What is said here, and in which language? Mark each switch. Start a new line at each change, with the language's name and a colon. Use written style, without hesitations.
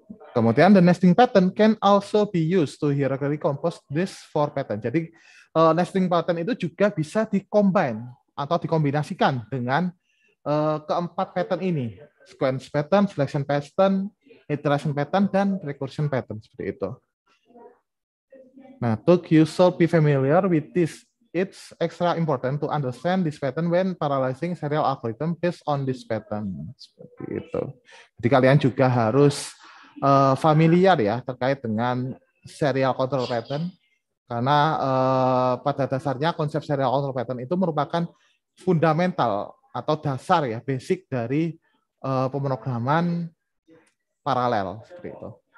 Indonesian: Kemudian
English: the nesting pattern can also be used to hierarchically compose these four pattern.
Indonesian: Jadi nesting pattern itu juga bisa dikombin atau dikombinasikan dengan keempat pattern ini. Sequence pattern, selection pattern, iteration pattern, dan recursion pattern, seperti itu.
English: Nah, to you should be familiar with this. It's extra important to understand this pattern when parallelizing serial algorithm based on this pattern.
Indonesian: Seperti itu. Jadi kalian juga harus familiar ya terkait dengan serial control pattern, karena pada dasarnya konsep serial control pattern itu merupakan fundamental atau dasar ya, basic dari pemrograman paralel seperti itu.